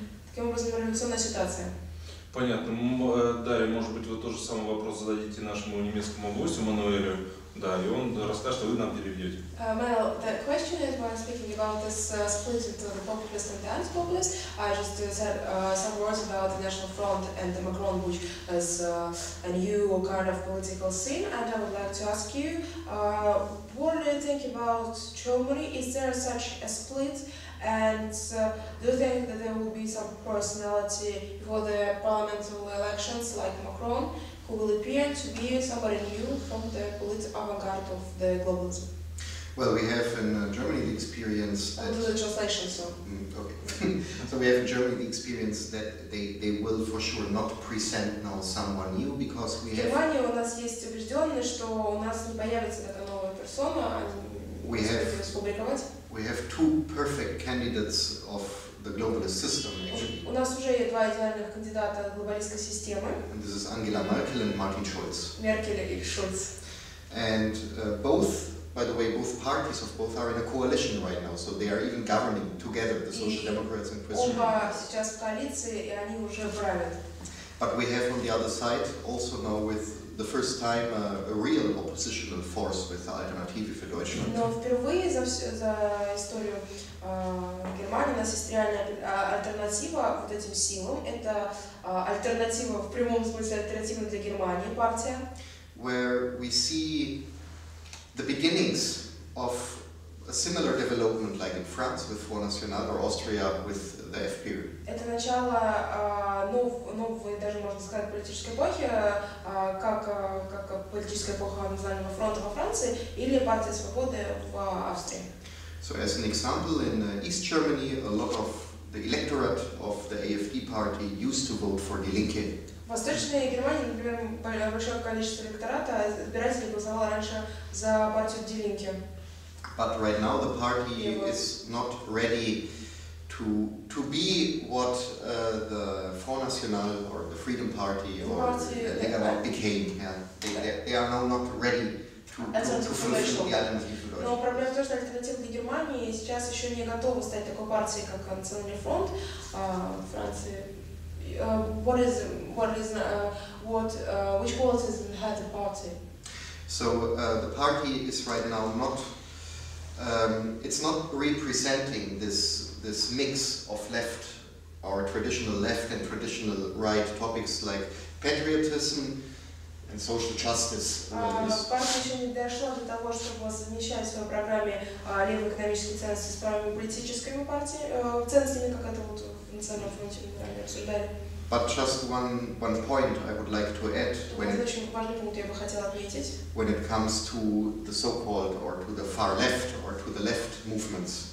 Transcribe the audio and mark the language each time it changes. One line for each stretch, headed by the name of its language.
Russian: Таким образом, революционная ситуация. Понятно. Дарья, может быть, вы тоже самый вопрос зададите нашему немецкому гостю Мануэлю, да, и он расскажет, что вы нам переведете.
English: Мануэл, the question is, when speaking about this split into the populist and the anti-populist, I just said some words about the National Front and the Macron, which is a new kind of political scene, and I would like to ask you, what do you think about Germany? Is there such a split? And do you think that there will be some personality for the parliamentary elections, like Macron, who will appear to be somebody new from the political avant-garde of the globalism? Well, we have in Germany the experience that... I'll do the translation soon. Okay. So we have in Germany the experience that they will for sure not present now someone new because we have...
Russian: В Германии у нас есть убежденность, что у нас не появится такая новая персона,
English: we have,
Russian: публиковать.
English: We have two perfect candidates of the globalist system.
Russian: У нас уже есть два идеальных кандидата глобалистской системы.
English: And this is Angela Merkel and Martin Schulz.
Russian: Меркель и Шульц.
English: And both, by the way, both parties of both are in a coalition right now, so they are even governing together, the Social Democrats and Christian Democrats.
Russian: Оба сейчас в коалиции, и они уже правят.
English: But we have on the other side also now with the first time a real oppositional force with the Alternative for Deutschland.
Russian: Но впервые за историю Германии у нас есть реальная альтернатива вот этим силам. Это альтернатива в прямом смысле альтернатива для Германии партия.
English: Where we see the beginnings of a similar development like in France with Front National or Austria with the FPÖ.
Russian: Это начало новой, даже можно сказать, политической эпохи, как политическая эпоха национального фронта во Франции или партия свободы в Австрии.
English: So as an example, in East Germany, a lot of the electorate of the AfD party used to vote for Die Linke.
Russian: В Восточной Германии, например, большое количество электората избирателей голосовало раньше за партию Die Linke.
English: But right now the party is not ready to be what the Front National or the Freedom Party or Lega Nord became. They are now not ready to fulfill the alternative.
Russian: Но проблема в том, что альтернатива для Германии сейчас еще не готова стать такой партией, как Национальный фронт Франции.
English: Which qualities had the party? So the party is right now not. It's not representing this mix of left, or traditional left and traditional right topics like patriotism and social justice.
Russian: Партия еще не дошла до того, чтобы совмещать в своей программе левые экономические ценности с правыми политическими ценностями, как это вот в Национальном фронте мы обсуждали.
English: But just one point I would like to add when it comes to the so-called or to the far left or to the left movements.